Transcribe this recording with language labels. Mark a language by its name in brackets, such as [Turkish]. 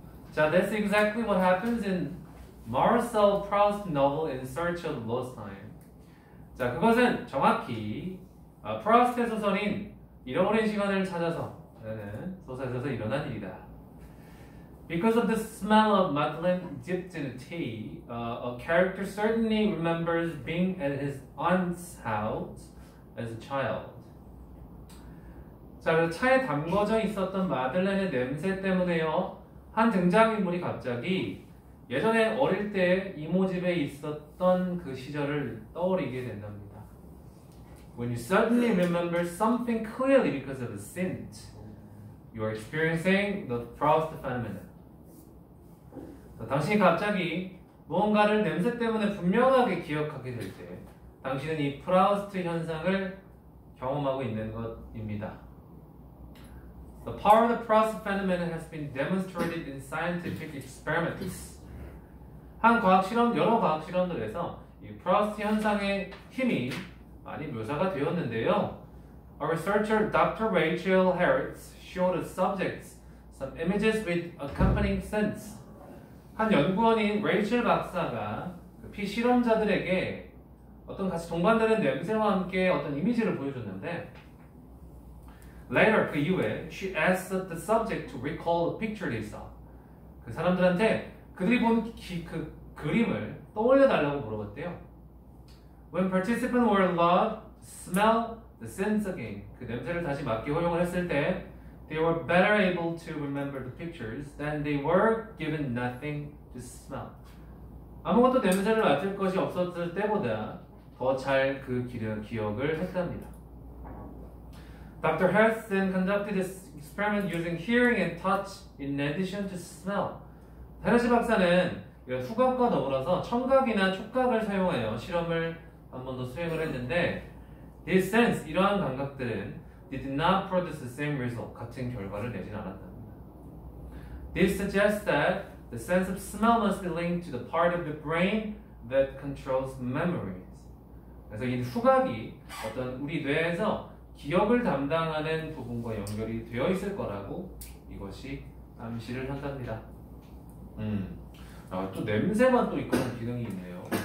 [English] 자, that's exactly what happens in Marcel Proust's novel In Search of Lost Time. [Korean] 자, 그것은 정확히 프라우스트의 소설인 잃어버린 시간을 찾아서 소설에서 일어난 일이다. [English] Because of the smell of Madeleine dipped in tea, a character certainly remembers being at his aunt's house as a child. [Korean] 자, 차에 담궈져 있었던 마들렌의 냄새 때문에요. 한 등장인물이 갑자기 예전에 어릴 때 이모 집에 있었던 그 시절을 떠올리게 된답니다. [English] When you suddenly remember something clearly because of a scent, you are experiencing the Proust phenomenon. [Korean] 자, 당신이 갑자기 무언가를 냄새 때문에 분명하게 기억하게 될 때 당신은 이 프라우스트 현상을 경험하고 있는 것입니다. [English] The power of the Proust phenomenon has been demonstrated in scientific experiments. [Korean] 한 과학 실험, 여러 과학 실험들에서 이 프라우스트 현상의 힘이 많이 묘사가 되었는데요. [English] A researcher, Dr. Rachel Harris, showed the subjects some images with accompanying scents. [Korean] 한 연구원인 레이첼 박사가 그 피 실험자들에게 어떤 같이 동반되는 냄새와 함께 어떤 이미지를 보여줬는데, [English] Later, [Korean] 그 이후에, [English] she asked the subject to recall the picture they saw. [Korean] 그 사람들한테 그들이 본 그 그림을 떠올려달라고 물어봤대요. [English] When participants were allowed to smell the scents again, [Korean] 그 냄새를 다시 맡기 허용을 했을 때, [English] they were better able to remember the pictures than they were given nothing to smell. [Korean] 아무것도 냄새를 맡을 것이 없었을 때보다 더 잘 그 기억을 했답니다. [English] Dr. Harris then conducted this experiment using hearing and touch in addition to smell. [Korean] 헤르시 박사는 후각과 더불어서 청각이나 촉각을 사용하여 실험을 한 번 더 수행을 했는데, [English] this sense, [Korean] 이러한 감각들은 [English] did not produce the same result, [Korean] 같은 결과를 내진 않았답니다. [English] This suggests that the sense of smell must be linked to the part of the brain that controls memories. [Korean] 그래서 이 후각이 어떤 우리 뇌에서 기억을 담당하는 부분과 연결이 되어 있을 거라고 이것이 암시를 한답니다. 아, 또 냄새만 또 이끄는 기능이 있네요.